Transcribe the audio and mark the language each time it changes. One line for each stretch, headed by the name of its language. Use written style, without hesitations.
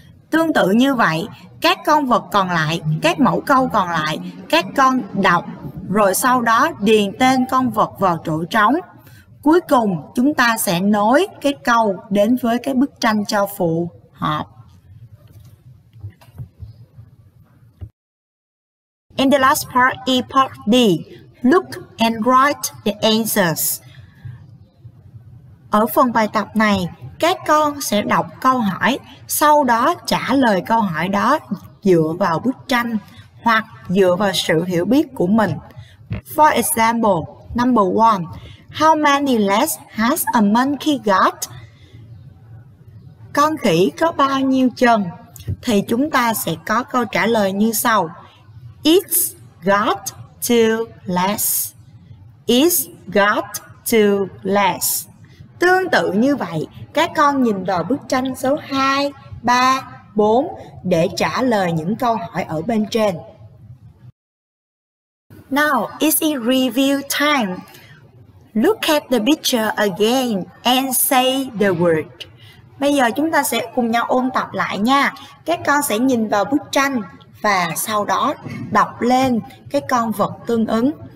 Vietnamese: Tương tự như vậy, các con vật còn lại, các mẫu câu còn lại, các con đọc, rồi sau đó điền tên con vật vào chỗ trống. Cuối cùng, chúng ta sẽ nối cái câu đến với cái bức tranh cho phù hợp.
English: In the last part, E part D, look and write the answers.
Vietnamese: Ở phần bài tập này, các con sẽ đọc câu hỏi, sau đó trả lời câu hỏi đó dựa vào bức tranh hoặc dựa vào sự hiểu biết của mình.
English: For example, number one, how many legs has a monkey got?
Vietnamese: Con khỉ có bao nhiêu chân? Thì chúng ta sẽ có câu trả lời như sau.
English: It's got two legs. It's got two legs.
Vietnamese: Tương tự như vậy, các con nhìn vào bức tranh số 2, 3, 4 để trả lời những câu hỏi ở bên trên.
English: Now, it's in review time. Look at the picture again and say the word.
Vietnamese: Bây giờ chúng ta sẽ cùng nhau ôn tập lại nha. Các con sẽ nhìn vào bức tranh và sau đó đọc lên cái con vật tương ứng.